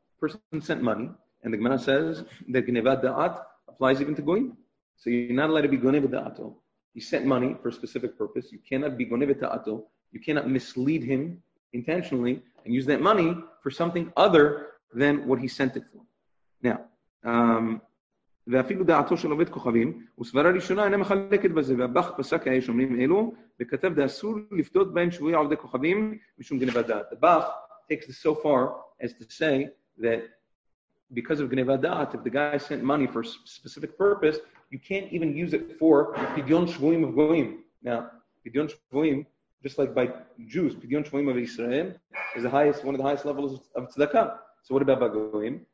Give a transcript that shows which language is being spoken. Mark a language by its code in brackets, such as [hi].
[en] Person sent money, and the Gemara says that Gneva Da'at applies even to Goyim. So you're not allowed to be Gneva Da'ato. He sent money for a specific purpose. You cannot be Gneva Da'ato. You cannot mislead him intentionally and use that money for something other than what he sent it for. [he] Now, ואפילו דעתו של עובד כוכבים וסברה ראשונה אינה מחלקת בזה והבח פסק היש אומרים אלו וכתב דאסור לפדות בהם שבועי עובדי כוכבים משום גניבת דעת. [en] The Bach takes this so far as to say that because of גניבת דעת, if the guy sent money for a specific purpose, you can't even use it for פדיון שבועים of גויים. Now, פדיון שבועים, just like by Jews, פדיון שבועים of Israel is the highest, one of the highest levels of tzedakah. So what about בגויים?